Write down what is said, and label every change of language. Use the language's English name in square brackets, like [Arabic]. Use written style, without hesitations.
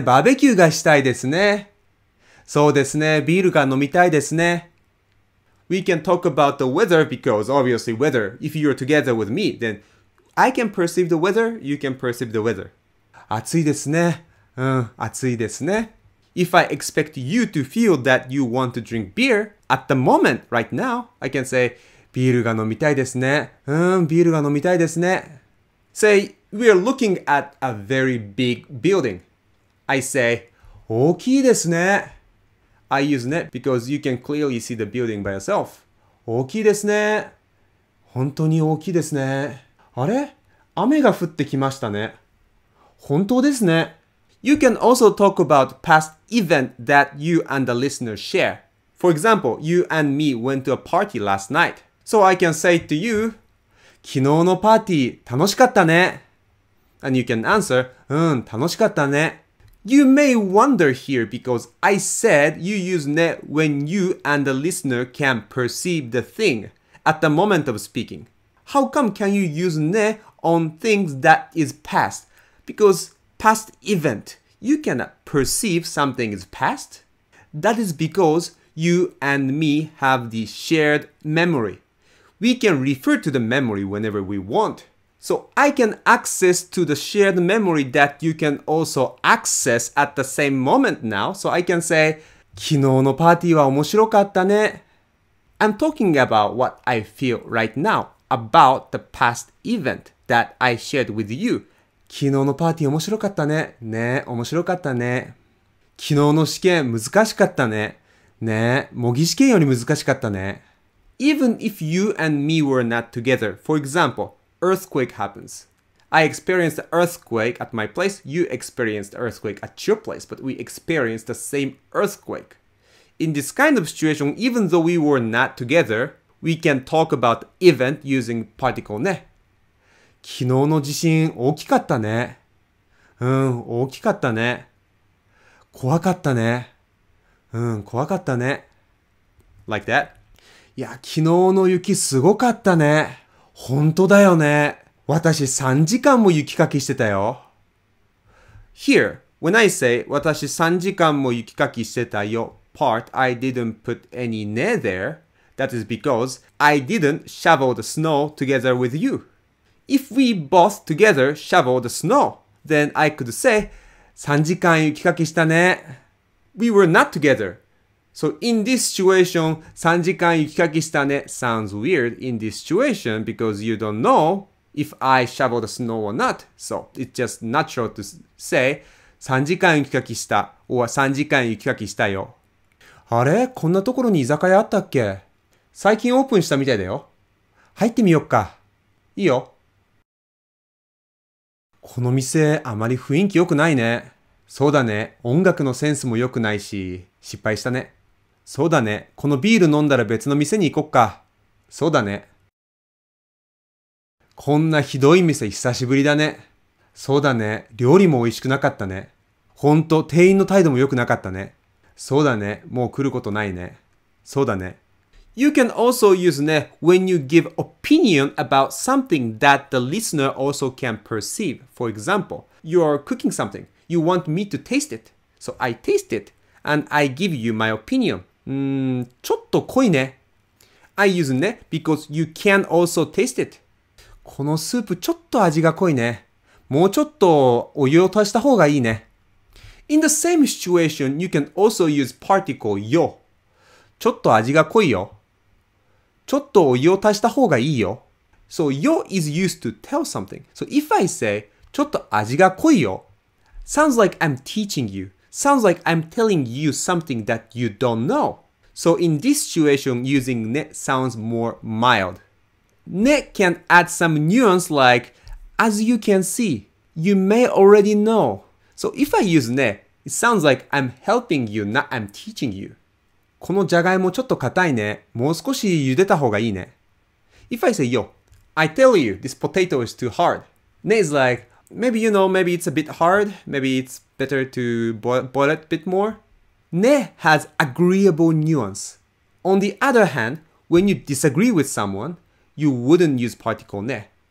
[Japanese] バーベキューがしたいですね。そうですね。ビールが飲みたいですね。 [English] We can talk about the weather because obviously weather, if you're together with me, then I can perceive the weather, you can perceive the weather. [Japanese] 暑いですね。暑いですね。 [English] If I expect you to feel that you want to drink beer at the moment, right now, I can say, [Japanese] ビールが飲みたいですね。うん、ビールが飲みたいですね。 [English] Say, we are looking at a very big building. I say, [Japanese] 大きいですね。 [English] I use ne because you can clearly see the building by yourself. [Japanese] 大きいですね。本当に大きいですね。あれ? 雨が降ってきましたね。本当ですね。 [English] You can also talk about past event that you and the listener share. For example, you and me went to a party last night. So I can say to you, [Japanese] 昨日のパーティー楽しかったね。 [English] And you can answer, [Japanese] うん、楽しかったね。 [English] You may wonder here because I said you use ne when you and the listener can perceive the thing at the moment of speaking. How come can you use ne on things that is past? Because past event, you cannot perceive something is past. That is because you and me have the shared memory. We can refer to the memory whenever we want. So I can access to the shared memory that you can also access at the same moment now. So I can say, [Japanese] 昨日のパーティーは面白かったね。 [English] I'm talking about what I feel right now, about the past event that I shared with you. [Japanese] 昨日のパーティー面白かったね。ね、面白かったね。昨日の試験難しかったね。ね、模擬試験より難しかったね。 [English] Even if you and me were not together, for example,Earthquake happens. I experienced an earthquake at my place, you experienced an earthquake at your place, but we experienced the same earthquake. In this kind of situation, even though we were not together, we can talk about event using particle ne. [Japanese] 昨日の地震大きかったね。うん、大きかったね。怖かったね。うん、怖かったね。 [English] Like that? [Japanese] いや、昨日の雪すごかったね。本当だよね。私3時間も雪かきしてたよ。 [English] Here, when I say [Japanese] 私3時間も雪かきしてたよ [English] part, I didn't put any ne there. That is because I didn't shovel the snow together with you. If we both together shovel the snow, then I could say [Japanese] 3時間雪かきしたね。 [English] We were not together. So in this situation, [Japanese] 3時間雪かきしたね [English] sounds weird in this situation because you don't know if I shovel the snow or not. So it's just natural to say [Japanese] 3時間雪かきした or 3時間雪かきしたよ。あれ? こんなところに居酒屋あったっけ?最近オープンしたみたいだよ。入ってみよっか。いいよ。この店あまり雰囲気良くないね。そうだね。音楽のセンスも良くないし、失敗したね。そうだね。このビール飲んだら別の店に行こっか。そうだね。こんなひどい店久しぶりだね。そうだね。料理も美味しくなかったね。ほんと、店員の態度も良くなかったね。そうだね。もう来ることないね。そうだね。 [English] You can also use ne when you give opinion about something that the listener also can perceive. For example, you are cooking something. You want me to taste it. So I taste it. And I give you my opinion. [Japanese] ちょっと濃いね。 [English] I use ne because you can also taste it. [Japanese] このスープちょっと味が濃いね。もうちょっとお湯を足した方がいいね。 [English] In the same situation, you can also use particle よ。 [Japanese] ちょっと味が濃いよ。ちょっとお湯を足した方がいいよ。 [English] So よ is used to tell something. So if I say, [Japanese] ちょっと味が濃いよ。 [English] Sounds like I'm teaching you. Sounds like I'm telling you something that you don't know. So in this situation, using ne sounds more mild. Ne can add some nuance like, as you can see, you may already know. So if I use ne, it sounds like I'm helping you, not I'm teaching you. [Japanese] このじゃがいもちょっと硬いね。もう少し茹でた方がいいね。 [English] If I say, yo, I tell you, this potato is too hard. Ne is like, maybe you know, maybe it's a bit hard, maybe it'sBetter to boil it a bit more. Ne has agreeable nuance. On the other hand, when you disagree with someone, you wouldn't use particle ne.